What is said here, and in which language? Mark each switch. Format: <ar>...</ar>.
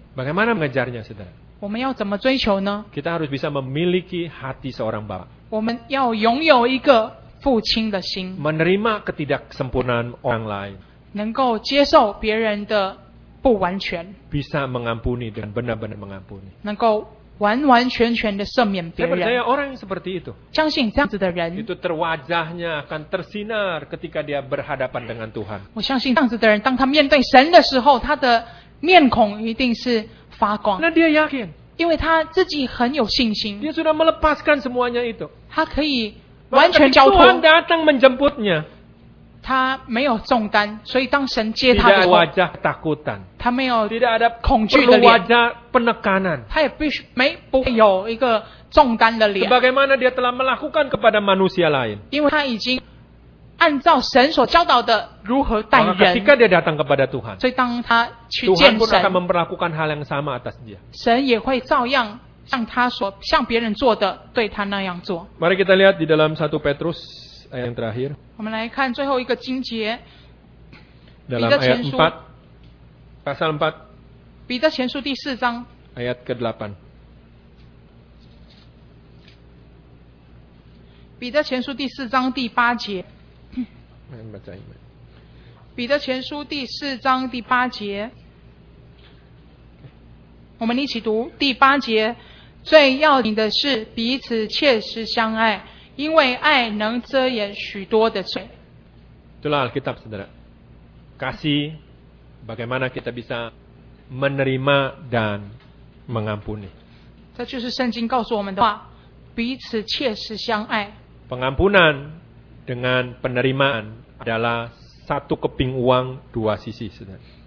<id>Bagaimana mengejarnya, saudara?</id> <zh>我们要怎么追求呢?</zh> <id>Kita harus bisa memiliki hati seorang bapa.</id> <zh>我们要拥有一个父亲的心.</zh> <id>Menerima ketidaksempurnaan orang lain.</id> <zh>能够接受别人的不完全.</zh> <id>Bisa mengampuni dan benar-benar mengampuni.</id> <zh>能够 完完全全的赦免别人.</zh> <id>Saya percaya orang yang seperti itu,</id> <zh>相信这样子的人,</zh> <id>itu terwajahnya akan tersinar ketika dia berhadapan dengan Tuhan.</id> <zh>我相信这样子的人, 当他面对神的时候, 他的面孔一定是发光.</zh> <id>Nah, dia yakin,</id> <zh>因为他自己很有信心.</zh> <id>Dia sudah melepaskan semuanya itu.</id> <zh>他可以完全交托.</zh> <id>Tuhan datang menjemputnya.</id> <zh>他没有重担, 所以当神接他的时候, 他没有</zh> <id>wajah takutan,</id> <zh>他没有</zh> <id>tidak ada</id> <zh>恐惧的脸, 没有</zh> <id>wajah penekanan,</id> <zh>他也不会有一个重担的脸.</zh> <id>Sebagaimana dia telah melakukan kepada manusia lain,</id> <zh>因为他已经按照神所教导的如何待人.</zh> <id>Maka ketika dia datang kepada Tuhan,</id> <zh>所以当他去见神,</zh> <id>Tuhan pun akan memperlakukan hal yang sama atas dia.</id> <zh>神也会照样 像他所向别人做的对他那样做.</zh> <id>Mari kita lihat di dalam 1 Petrus ayat yang terakhir.</id> <zh>我们来看最后一个经节, 彼得前书, 4, 彼得前书 第4章, ayat ke-8. 彼得前书 第4章 第8节, 彼得前书 第4章 第8节, 我们一起读 第8节, 最要紧的是 彼此切实相爱, 因为爱能遮掩许多的罪.</zh> <id>Itulah Alkitab, saudara. Kasih, bagaimana kita bisa menerima dan mengampuni.</id> <zh>这就是圣经告诉我们的话, 彼此切实相爱.</zh> <id>Pengampunan dengan penerimaan adalah satu keping uang dua sisi, saudara.</id>